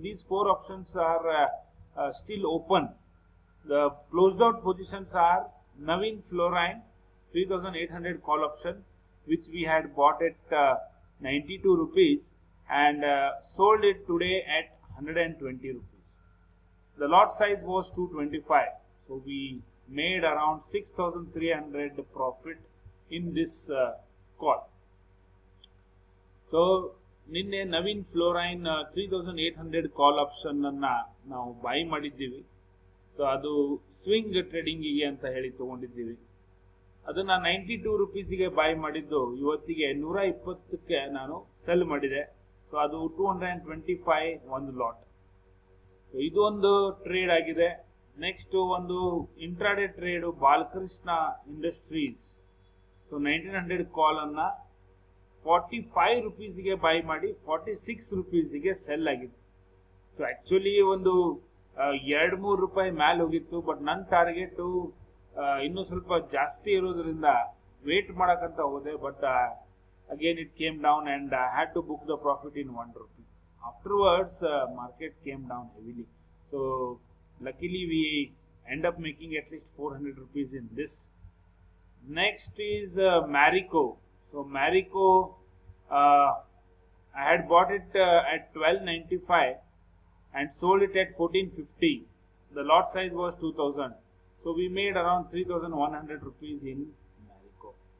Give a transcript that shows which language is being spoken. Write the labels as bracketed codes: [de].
[en] These four options are still open. The closed out positions are Navin Fluorine 3800 call option, which we had bought at 92 rupees and sold it today at 120 rupees. The lot size was 225, so we made around 6300 profit in this call. [kn] So ನಿನ್ನೆ ನವೀನ್ ಫ್ಲೋರೈನ್ 3800 ಕಾಲ್ option ಅನ್ನ ನಾವು by ಮಾಡಿದ್ದೀವಿ. So ಅದು swing ಟ್ರೇಡಿಂಗಿಗೆ ಅಂತ ಹೇಳಿ ತಗೊಂಡಿದ್ದೀವಿ. ಅದನ್ನ 92 ರುಪೀಸ್ಗೆ by ಮಾಡಿದ್ದು, ಇವತ್ತಿಗೆ 120ಕ್ಕೆ ನಾನು ಸೆಲ್ ಮಾಡಿದೆ. ಸೊ ಅದು 225 ಒಂದು ಲಾಟ್. ಸೊ ಇದೊಂದು ಟ್ರೇಡ್ ಆಗಿದೆ. ನೆಕ್ಸ್ಟ್ ಒಂದು intraday trade, Balakrishna industries. So 1900 ಕಾಲ್ ಅನ್ನ 45 ರುಪೀಸ್ಗೆ ಬೈ ಮಾಡಿ 46 ರುಪೀಸ್ಗೆ ಸೆಲ್ ಆಗಿತ್ತು. ಸೊ ಆಕ್ಚುಲಿ ಒಂದು 2-3 ರೂಪಾಯಿ ಮ್ಯಾಲ್ ಹೋಗಿತ್ತು, ಬಟ್ ನನ್ನ ಟಾರ್ಗೆಟು ಇನ್ನೂ ಸ್ವಲ್ಪ ಜಾಸ್ತಿ ಇರೋದ್ರಿಂದ ವೇಟ್ ಮಾಡೋಕ್ಕಂತ ಹೋದೆ. [en] But again it came down and I had to book the profit in 1 rupee. Afterwards market came down heavily. So luckily we end up making at least 400 rupees in this. Next is Marico. So Marico, I had bought it at 1295 and sold it at 1450. The lot size was 2000. So we made around 3100 rupees in Marico.